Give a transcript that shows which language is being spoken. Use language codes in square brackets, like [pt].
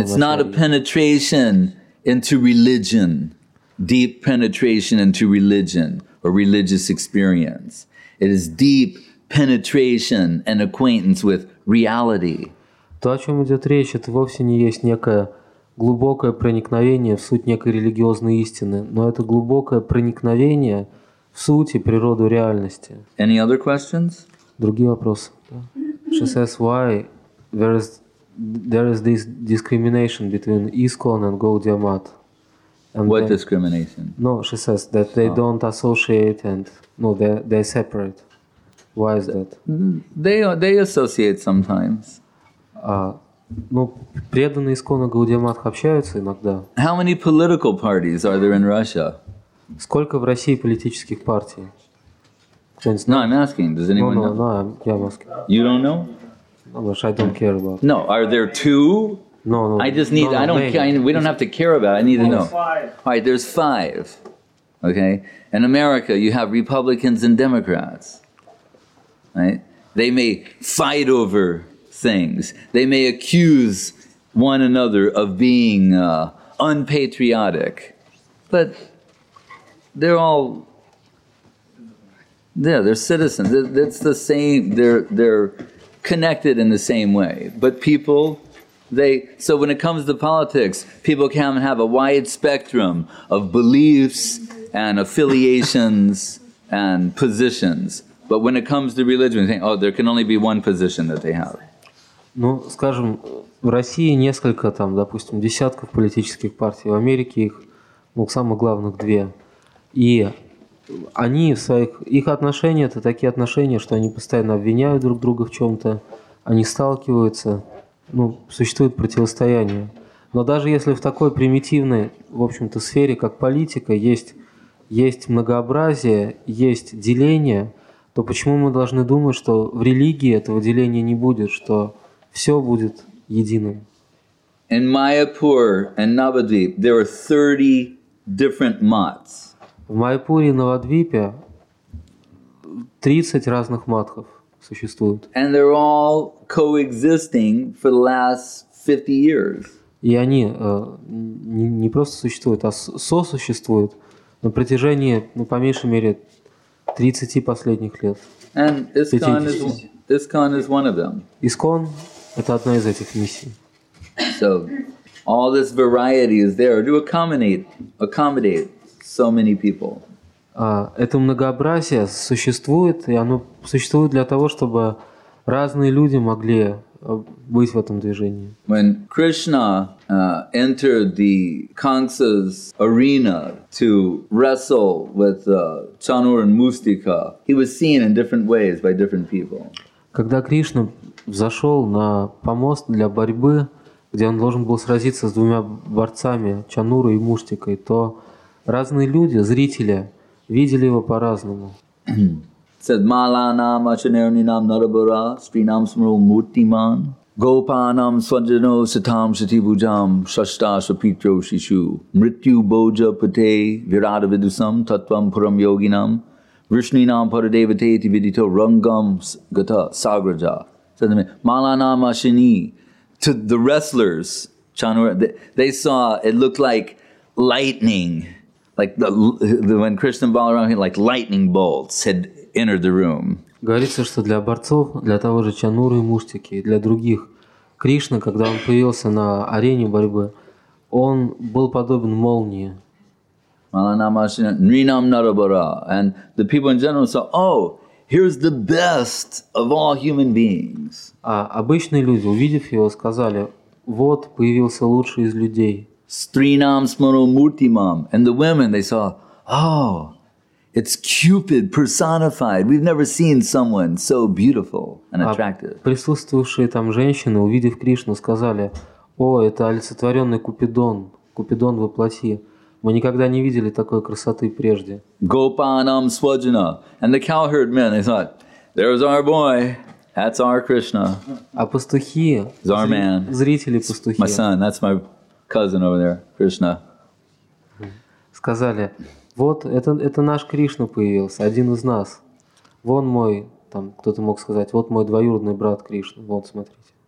[en] It's not a penetration into religion, deep penetration into religion or religious experience. It is deep penetration and acquaintance with reality. [ru] То, о чем идет речь, это вовсе не есть некое глубокое проникновение в суть некой религиозной истины, но это глубокое проникновение в суть и природу реальности. [en] Any other questions? [ru] Другие вопросы. [en] She says, why there is this discrimination between ISKCON and Gaudiya Math? What discrimination? No, she says that they don't associate and no, they separate. Why is that? They associate sometimes. [ru] Ну, преданные ИСККОНа Гаудия Матха общаются иногда. [en] How many political parties are there in Russia? [ru] Сколько в России политических партий? [en] No, I'm asking. Does anyone know? No, I'm asking. You don't know? No, I don't care about. No, are there two? No. I just need. No, I don't. Care, we don't have to care about. It. I need to know. Five. All right, there's five. Okay, in America, you have Republicans and Democrats. Right? They may fight over things. They may accuse one another of being unpatriotic. But they're all, yeah, they're citizens. It's the same, they're connected in the same way. But people, so when it comes to politics, people can have a wide spectrum of beliefs and affiliations and positions. But when it comes to religion, they think, oh, there can only be one position that they have. [ru] Ну, скажем, в России несколько там, допустим, десятков политических партий, в Америке их, ну, самых главных две. И они в своих, их отношения это такие отношения, что они постоянно обвиняют друг друга в чем-то, они сталкиваются, ну, существует противостояние. Но даже если в такой примитивной, в общем-то, сфере, как политика, есть многообразие, есть деление, то почему мы должны думать, что в религии этого деления не будет, что все будет единым? [en] In Mayapur and Navadvip there are 30 different maths. [ru] В Майяпуре и Навадвипе 30 разных матхов существует. [en] And they're all coexisting for the last 50 years. [ru] И они не просто существуют, а сосуществуют на протяжении, ну, по меньшей мере, 30 последних лет. [en] And ISKCON is one of them. [ru] ISKCON это одна из этих миссий. [en] So all this variety is there to accommodate so many people. [ru] Это многообразие существует, и оно существует для того, чтобы разные люди могли быть в этом движении. [en] When Krishna entered the Kansa's arena to wrestle with Chanur and Mustika, he was seen in different ways by different people. [ru] Когда Кришна зашел на помост для борьбы, где он должен был сразиться с двумя борцами, Чанурой и Муштикой, то разные люди, зрители, видели его по-разному. [sa] Said Malanam Achanarninam Narabara Srinam Smaro Murtiman Gopanam Swajano Satam Satibujam Shashta Shapitro Shishu Mrityu Boja Pate Virada Vidusam Tatvam Puram Yoginam Vrishninam Paradevate Tividito Rangam Gata Sagraja. Said Malanam Ashini. [en] To the wrestlers, Chanura, they saw it looked like lightning. Like the when Krishna and Balaram, like lightning bolts had entered the room. [ru] Говорится, что для борцов, для того же Чануры и Муштики, и для других, Кришна, когда он появился на арене борьбы, он был подобен молнии. [sa] Malanamashina, Nrinam Narabara. [en] And the people in general saw, oh, here's the best of all human beings. [ru] А обычные люди, увидев его, сказали, вот появился лучший из людей. [sa] Стринам Смару Муртимам. [en] And the women, they saw, oh, it's Cupid personified. We've never seen someone so beautiful and attractive. [ru] А присутствовавшие там женщины, увидев Кришну, сказали, о, это олицетворенный Купидон, Купидон во плоти. Мы никогда не видели такой красоты прежде. [sa] Gopanam Swajana. [en] And the cowherd men, they thought, there's our boy. That's our Krishna. [ru] А пастухи, зрители пастухи. [en] My son, that's my cousin over there, Krishna. [ru] Сказали, вот это наш Кришна появился, один из нас. Вон мой, там кто-то мог сказать, вот мой двоюродный брат Кришна, вот смотрите.